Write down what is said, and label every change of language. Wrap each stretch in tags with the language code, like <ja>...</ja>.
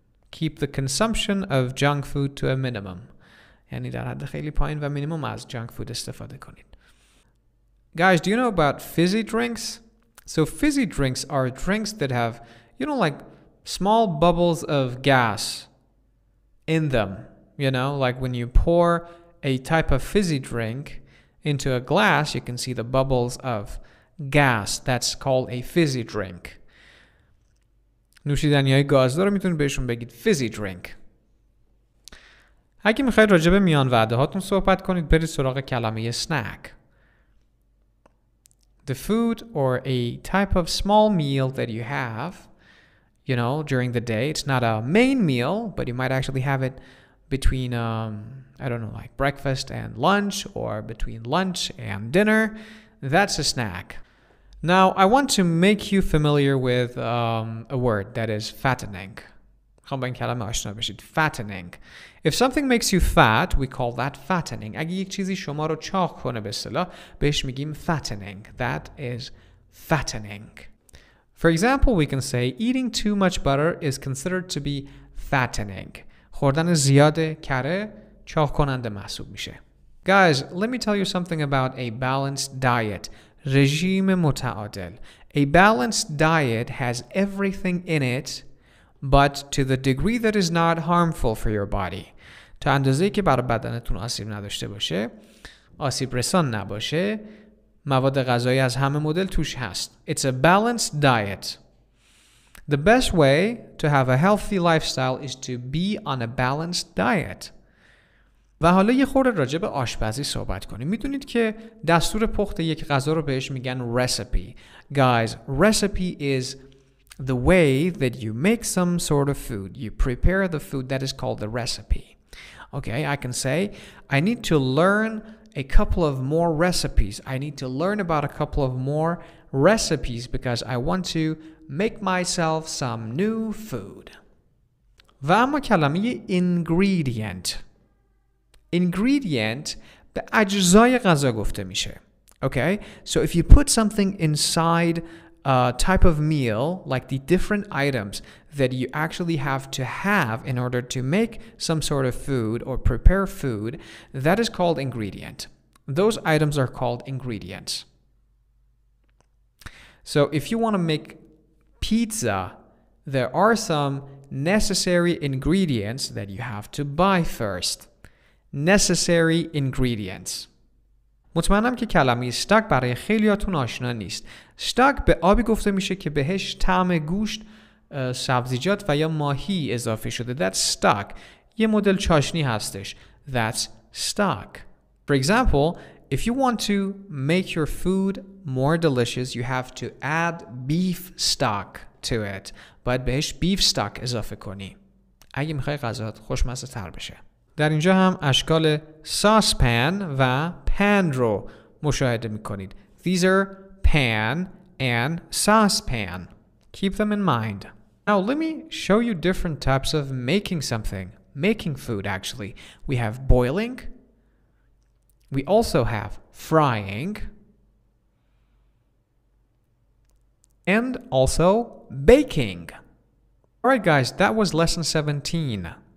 <en>Keep the consumption of junk food to a minimum.</en> <fa>یعنی در حد خیلی پایین و مینیمم از junk food استفاده کنید.</fa> <en>Guys, do you know about fizzy drinks? So fizzy drinks are drinks that have, you know, like small bubbles of gas in them. You know, like when you pour a type of fizzy drink into a glass, you can see the bubbles of gas. That's called a fizzy drink.</en> <fa>نوشیدنی‌های گازدار میتونید بهشون بگید fizzy drink. اگه میخواید راجع به میان وعده‌هاتون صحبت کنید برید سراغ کلمه snack.</fa> <en>The food or a type of small meal that you have, you know, during the day. It's not a main meal, but you might actually have it between I don't know, like breakfast and lunch or between lunch and dinner. That's a snack. Now, I want to make you familiar with a word that is fattening.</en> <fa>خب با این کلمه آشنا بشید. Fattening.</fa> <en>If something makes you fat, we call that fattening.</en> <fa>اگه یک چیزی شما رو چاق کنه به اصطلاح بهش میگیم fattening.</fa> <en>That is fattening. For example, we can say eating too much butter is considered to be fattening.</en> <fa>خوردن زیاد کره چاق کننده محسوب میشه.</fa> <en>Guys, let me tell you something about a balanced diet.</en> <fa>رژیم متعادل.</fa> <en>A balanced diet has everything in it, but to the degree that is not harmful for your body.</en> <fa>تا اندازه‌ای که بر بدنتون آسیب نداشته باشه، آسیب رسان نباشه، مواد غذایی از همه مدل توش هست.</fa> <en>It's a balanced diet. The best way to have a healthy lifestyle is to be on a balanced diet.</en> <fa>و حالا یه خورده راجع به آشپزی صحبت کنیم. میدونید که دستور پخت یک غذا رو بهش میگن recipe.</fa> <en>Guys, recipe is the way that you make some sort of food. You prepare the food, that is called the recipe. Okay, I can say, I need to learn a couple of more recipes. I need to learn about a couple of more recipes because I want to make myself some new food.</en> <fa>و اما کلمه ingredient. Ingredient به اجزای غذا گفته میشه.</fa> <en>Okay, so if you put something inside a type of meal, like the different items that you actually have to have in order to make some sort of food or prepare food, that is called ingredient. Those items are called ingredients. So if you want to make pizza, there are some necessary ingredients that you have to buy first. Necessary ingredients.</en> <fa>مطمئنم که کلمه استاک برای خیلیاتون آشنا نیست. استاک به آبی گفته میشه که بهش طعم گوشت، سبزیجات و یا ماهی اضافه شده.</fa> <en>That's stock.</en> <fa>یه مدل چاشنی هستش.</fa> <en>That's stock. For example, if you want to make your food more delicious, you have to add beef stock to it.</en> <fa>باید بهش beef stock اضافه کنی. اگه میخوای غذات خوشمزه تر بشه. در اینجا هم اشکال ساسپن و پن رو مشاهده میکنید.</fa> <en>These are pan and saucepan. Keep them in mind. Now let me show you different types of making something. Making food actually. We have boiling. We also have frying. And also baking. Alright guys, that was lesson 17.</en>